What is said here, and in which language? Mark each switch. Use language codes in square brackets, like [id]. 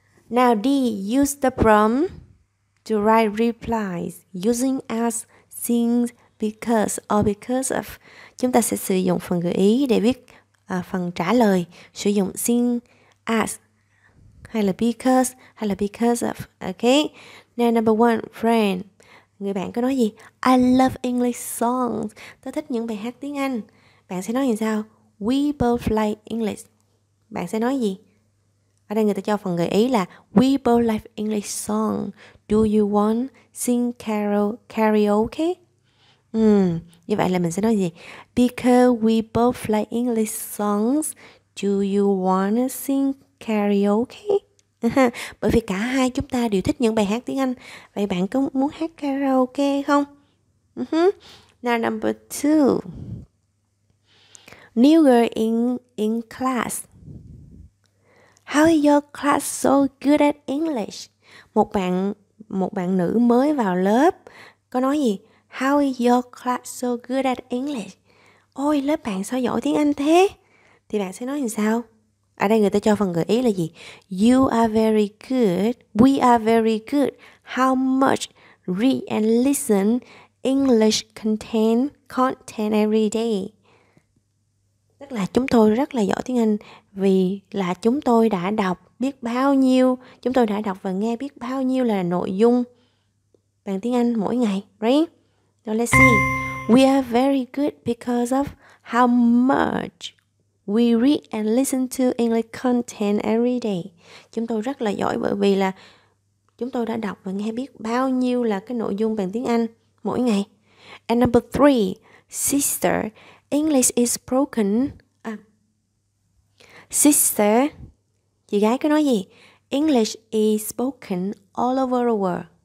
[en] Now D, use the prompt to write replies using as, since, because, or because of. [vi] Chúng ta sẽ sử dụng phần gợi ý để viết phần trả lời. Sử dụng since, as, hay là because, hay là because of. [en] Okay. Now number one, friend. [vi] Người bạn có nói gì? [en] I love English songs. [vi] Tôi thích những bài hát tiếng Anh. Bạn sẽ nói như sao? [en] We both like English. [vi] Bạn sẽ nói gì? Ở đây người ta cho phần gợi ý là we both like English song. [en] Do you want sing karaoke? [vi] Như vậy là mình sẽ nói gì? [en] Because we both like English songs, do you want sing karaoke? [vi] Bởi vì cả hai chúng ta đều thích những bài hát tiếng Anh. Vậy bạn có muốn hát karaoke không? [en] Now number two. New girl in class. How is your class so good at English? [vi] Một bạn nữ mới vào lớp có nói gì? [en] How is your class so good at English? [vi] Ôi, lớp bạn sao giỏi tiếng Anh thế? Thì bạn sẽ nói như sao? Ở đây người ta cho phần gợi ý là gì? [en] You are very good. We are very good. How much read and listen English content every day? [vi] Tức là chúng tôi rất là giỏi tiếng Anh vì là chúng tôi đã đọc biết bao nhiêu, chúng tôi đã đọc và nghe biết bao nhiêu là nội dung bằng tiếng Anh mỗi ngày, right? [en] Now let's see. We are very good because of how much we read and listen to English content every day. [vi] Chúng tôi rất là giỏi bởi vì là chúng tôi đã đọc và nghe biết bao nhiêu là cái nội dung bằng tiếng Anh mỗi ngày. [en] And number three, sister, English is broken. Sister, [vi] chị gái có nói gì? [en] English is spoken all over the world.